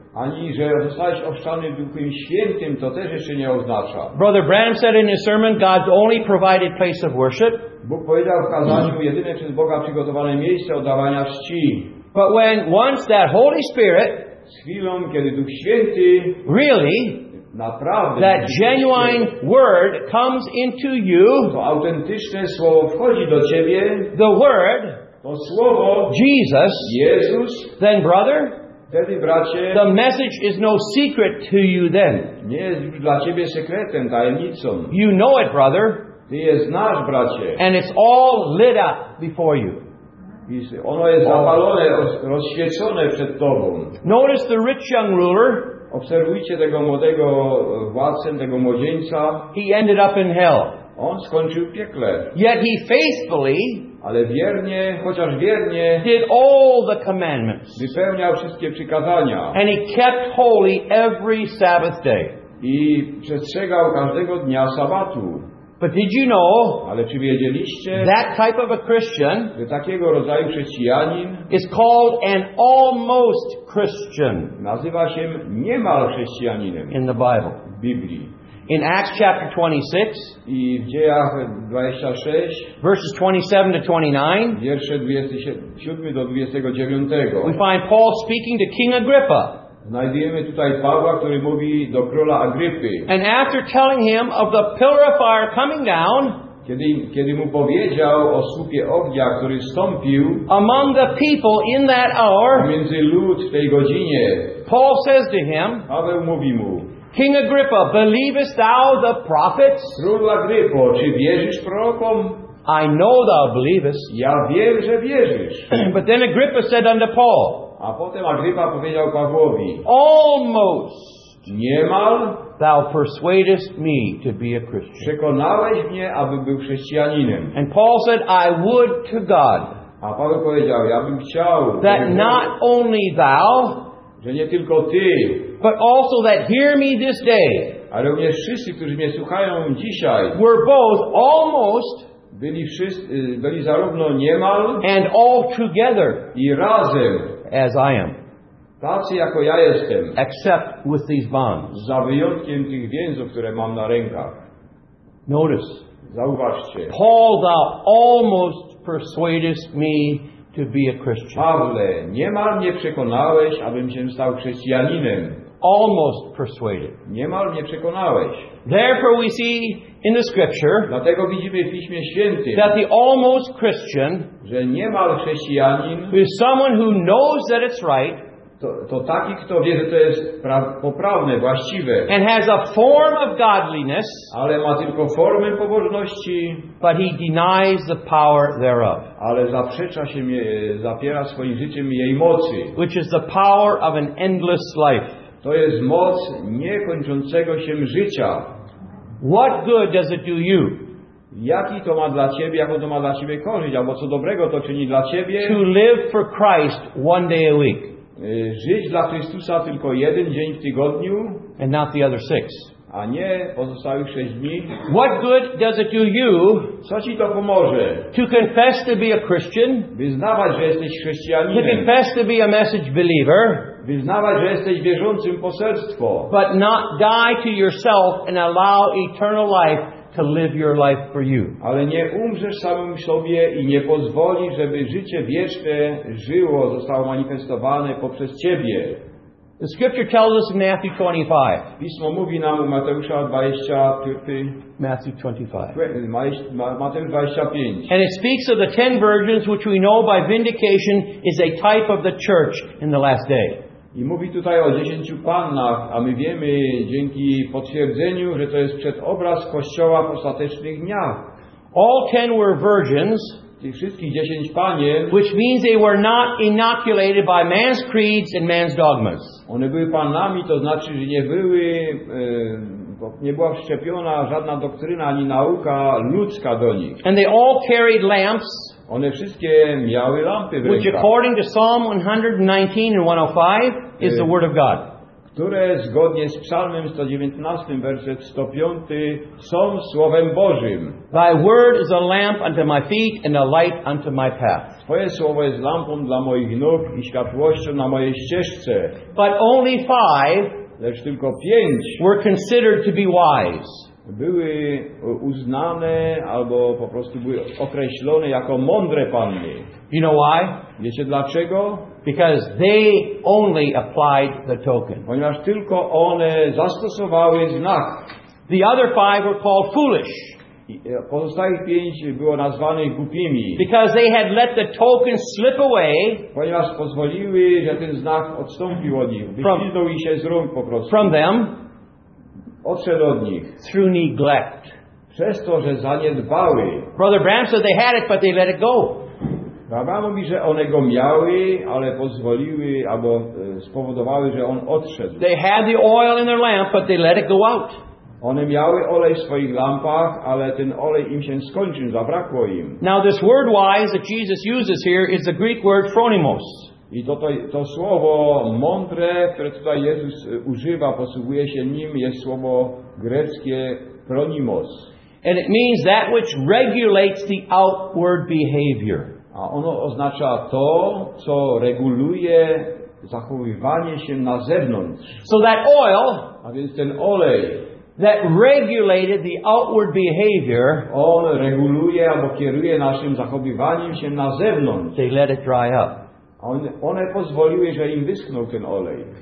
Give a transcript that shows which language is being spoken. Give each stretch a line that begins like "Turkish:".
Polish: Ani że zostałeś ochrzczony Duchem Świętym, to też jeszcze nie oznacza.
English: Brother Branham said in his sermon, God's only provided place of worship.
Polish: Bóg powiedział w kazaniu, jedyne przez Boga przygotowane miejsce oddawania czci.
English: But when once that Holy Spirit,
Polish: z chwilą, kiedy Duch Święty,
English: really,
Polish: naprawdę,
English: that genuine word comes into you,
Polish: to autentyczne słowo wchodzi do ciebie,
English: the word,
Polish: to słowo,
English: Jesus,
Polish: Jezus,
English: then brother,
Polish: wtedy bracie,
English: the message is no secret to you then.
Polish: Nie jest już dla ciebie sekretem, tajemnicą.
English: You know it, brother.
Polish: Ty je znasz, bracie.
English: And it's all lit up before you.
Polish: Ono jest zapalone, rozświecone przed tobą.
English: Notice the rich young ruler.
Polish: Obserwujcie tego młodego władcę, tego młodzieńca.
English: He ended up in hell.
Polish: On skończył w piekle.
English: Yet he faithfully,
Polish: ale wiernie, chociaż wiernie,
English: did all the commandments.
Polish: Wypełniał wszystkie przykazania.
English: And he kept holy every Sabbath day.
Polish: I przestrzegał każdego dnia sabatu.
English: But did you know,
Polish: ale czy wiedzieliście,
English: that type of a Christian,
Polish: że takiego rodzaju chrześcijanin,
English: is called an almost Christian,
Polish: nazywa się niemal chrześcijaninem,
English: in the Bible,
Polish: w Biblii.
English: In Acts chapter 26,
Polish: i w Dziejach 26,
English: verses 27 to 29,
Polish: wiersze 27 do 29,
English: we find Paul speaking to King Agrippa.
Polish: Znajdujemy tutaj Pawła, który mówi do króla Agrypy.
English: And after telling him of the pillar of fire coming down,
Polish: kiedy mu powiedział o słupie ognia, który stąpił,
English: among the people in that hour,
Polish: między lud w tej godzinie,
English: Paul says to him,
Polish: Paweł mówi mu,
English: King Agrippa, believest thou the prophets?
Polish: Król Agrypo, czy wierzysz prorokom?
English: I know thou believest.
Polish: Ja wiem, że wierzysz.
English: But then Agrippa said unto Paul,
Polish: a potem Agrippa powiedział Pawłowi,
English: almost,
Polish: niemal,
English: thou persuadest me to be a Christian.
Polish: Przekonałeś mnie, abym był chrześcijaninem.
English: And Paul said, I would to God,
Polish: a Paweł powiedział, ja bym chciał,
English: that not only thou,
Polish: że nie tylko ty,
English: but also that hear me this day,
Polish: a również wszyscy, którzy mnie słuchają dzisiaj,
English: were both almost,
Polish: byli wszyscy, byli zarówno niemal,
English: and all together,
Polish: i razem,
English: as I am,
Polish: tacy jako ja jestem,
English: except with these bonds,
Polish: za wyjątkiem tych więzów, które mam na rękach.
English: Notice,
Polish: zauważcie,
English: Paul, thou almost persuadest me to be a Christian.
Polish: Pawle, niemal mnie przekonałeś, abym się stał chrześcijaninem.
English: Almost persuaded.
Polish: Niemal mnie przekonałeś.
English: Therefore we see in the scripture,
Polish: dlatego widzimy w Piśmie Świętym,
English: that the almost Christian,
Polish: że niemal chrześcijanin,
English: is someone who knows that it's right,
Polish: to taki, kto wie, że to jest poprawne, właściwe,
English: and has a form of godliness,
Polish: ale ma tylko formę pobożności,
English: but he denies the power thereof,
Polish: ale zaprzecza się, zapiera swoim życiem jej mocy,
English: which is the power of an endless life.
Polish: To jest moc niekończącego się życia.
English: What good does it do you?
Polish: Jaki to ma dla ciebie, jaką to ma dla ciebie korzyść, albo co dobrego to czyni dla ciebie?
English: To live for Christ one day a week.
Polish: Żyć dla Chrystusa tylko jeden dzień w tygodniu,
English: and not the other six.
Polish: A nie pozostałych sześć dni.
English: What good does it do you?
Polish: Co ci to pomoże?
English: To confess to be a Christian.
Polish: Wyznawać, że jesteś chrześcijaninem.
English: To confess to be a message believer.
Polish: Wyznawać, że jesteś wierzącym poselstwo.
English: But not die to yourself and allow eternal life to live your life for you.
Polish: Ale nie umrzesz samym sobie i nie pozwolisz, żeby życie wieczne żyło, zostało manifestowane poprzez ciebie.
English: The scripture tells us in Matthew 25.
Polish: Pismo mówi nam w Mateusza 25.
English: Matthew 25.
Polish: Mateusz 25.
English: And it speaks of the 10 virgins, which we know by vindication is a type of the church in the last day.
Polish: I mówi tutaj o 10 pannach, a my wiemy dzięki potwierdzeniu, że to jest przedobraz Kościoła w ostatecznych dniach.
English: All 10 were virgins,
Polish: tych wszystkich 10 panien,
English: which means they were not inoculated by man's creeds and man's dogmas.
Polish: One były panami, to znaczy, że nie były, nie była wszczepiona żadna doktryna ani nauka ludzka do nich.
English: And they all carried lamps,
Polish: one wszystkie miały lampy w rękach,
English: which according to Psalm 119 and 105 is the word of God.
Polish: Które zgodnie z Psalmem 119, werset 105, są Słowem Bożym.
English: Thy word is a lamp unto my feet and a light unto my path.
Polish: Twoje słowo jest lampą dla moich nóg i światłością na mojej ścieżce.
English: But only five,
Polish: lecz tylko pięć,
English: were considered to be wise.
Polish: Były uznane albo po prostu były określone jako mądre panny.
English: You know why?
Polish: Wiecie dlaczego?
English: Because they only applied the token.
Polish: Ponieważ tylko one zastosowały znak.
English: The other five were called foolish.
Polish: Pozostałych pięć było nazwanych głupimi.
English: Because they had let the token slip away.
Polish: Ponieważ pozwoliły, że ten znak odstąpił od nich. Wyślizgnął się z rąk po prostu.
English: From them.
Polish: Odszedł od nich.
English: Through neglect.
Polish: Przez to, że zaniedbały.
English: Brother Bram said they had it, but they let it go.
Polish: Prawda mówi, że one go miały, ale pozwoliły, albo spowodowały, że on odszedł.
English: They had the oil in their lamp, but they let it go out.
Polish: One miały olej w swoich lampach, ale ten olej im się skończył, zabrakło im.
English: Now this word wise that Jesus uses here is the Greek word phronimos.
Polish: I to słowo mądre, które tutaj Jezus używa, posługuje się nim, jest słowo greckie phronimos.
English: And it means that which regulates the outward behavior.
Polish: A ono oznacza to, co reguluje zachowywanie się na zewnątrz.
English: So that oil,
Polish: a więc ten olej,
English: that regulated the outward behavior.
Polish: On reguluje albo kieruje naszym zachowywaniem się na zewnątrz.
English: They let it dry up.
Polish: One pozwoliły, że im wyschnął ten olej.